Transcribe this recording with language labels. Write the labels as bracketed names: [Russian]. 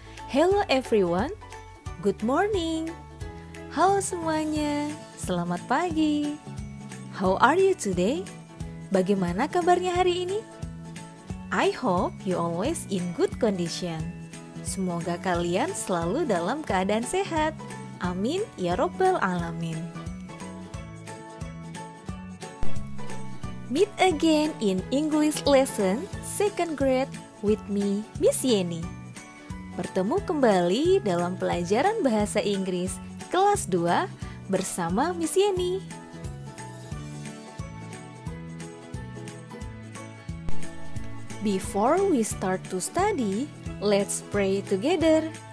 [English] Hello everyone, good morning. [Indonesian] Halo semuanya, selamat pagi. [English] How are you today? [Indonesian] Bagaimana kabarnya hari ini? [English] I hope you always in good condition. [Indonesian] Semoga kalian selalu dalam keadaan sehat. [Arabic] Amin ya Rabbal Alamin. [English] Meet again in English lesson second grade with me, Miss Yeni. [Indonesian] Bertemu kembali dalam pelajaran bahasa Inggris kelas 2 bersama Miss Yeni. [English] Before we start to study, let's pray together.